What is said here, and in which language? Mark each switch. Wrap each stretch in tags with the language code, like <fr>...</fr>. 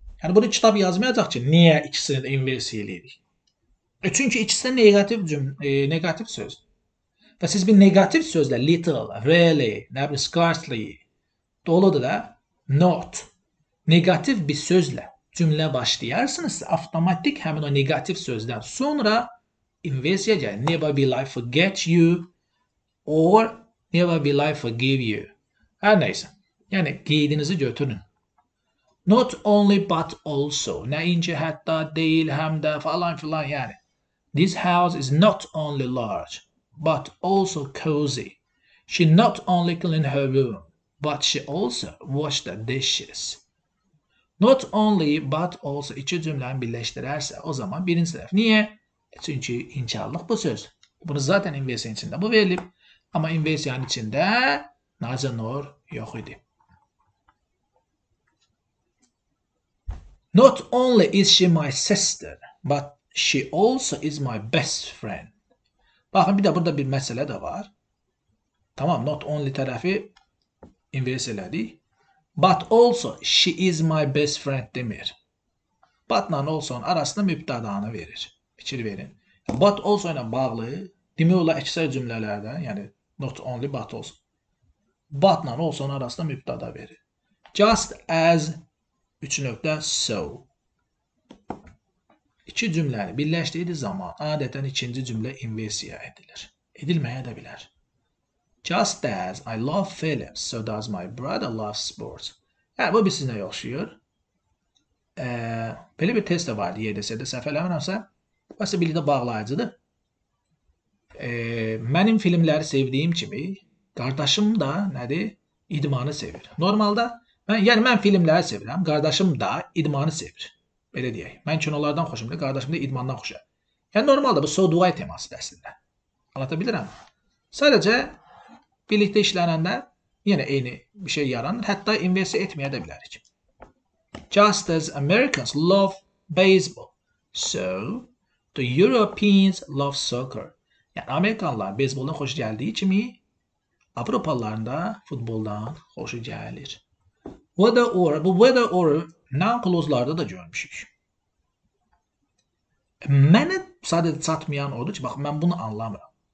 <az>Yəni, bunu kitab yazmayacaq ki, niyə ikisini də inversiya eləyirik? Çünki ikisi də negativ, negativ sözdür. Və siz bir negativ sözlə little, really, nə bilir, scarcely doludur da, not. Negativ bir sözlə cümlə başlayarsınız, avtomatik həmin o negativ sözdən sonra inversiya gəlir.</az> <en>Never will I forget you or never will I forgive you.</en> <az>Hər nəyisə. Yəni, qeydinizi götürün. Not only but also. Nəinki hətta deyil, həm də falan filan yəni.</az> <en>This house is not only large, but also cozy. She not only cleaned her room, but she also washed the dishes. Not only but also.</en> <az>İki cümləni birləşdirərsə, o zaman birinci tərəf. Niyə? Çünki inkarlıq bu söz. Bunu zaten inversiyanın içində bu verilib. Amma inversiyanın içində neither nor yox idi.</az> <en>Not only is she my sister, but she also is my best friend.</en> <az>Baxın, bir də burada bir məsələ də var. Tamam, not only tərəfi invers elədik.</az> <en>But also, she is my best friend</en> <az>demir. But ilə also-nun arasında mübtədanı verir. Fikir verin. But also ilə bağlı, demək olar əksər cümlələrdə, yəni not only but also. But ilə also-nun arasında mübtəda verir. Just as, 3 nöqtə, so. İki cümləni birləşdirdiyi zaman adətən ikinci cümlə inversiya edilir. Edilməyə də bilər.</az> <en>Just as I love films, so does my brother love sports.</en> <az>Yəni, bu bir sizinlə yoxşuyur. Belə bir test də var, YDS-də səhv eləmirəmsə. Başqa bilikdə bağlayıcıdır. Mənim filmləri sevdiyim kimi, qardaşım da nədir? İdmanı sevir. Normalda, mən filmləri sevirəm, qardaşım da idmanı sevir. Belə deyək. Mən kinolardan xoşum deyək, qardaşım da idmandan xoşa. Yəni, normalda bu, so do I teması dəslində. Anlata bilirəm. Sadəcə, birlikdə işlənəndə yenə eyni bir şey yaranır. Hətta inversiya etməyə də bilərik.</az> <en>Just as Americans love baseball, so the Europeans love soccer.</en> <az>Yəni, Amerikanlar beyzboldan xoş gəldiyi kimi, Avropalıların da futboldan xoş gəlir. Whether or, bu whether or non-close-larda da görmüşük. Mənə sadəcə çatmayan odur ki, bax, mən bunu anlamıram.</az>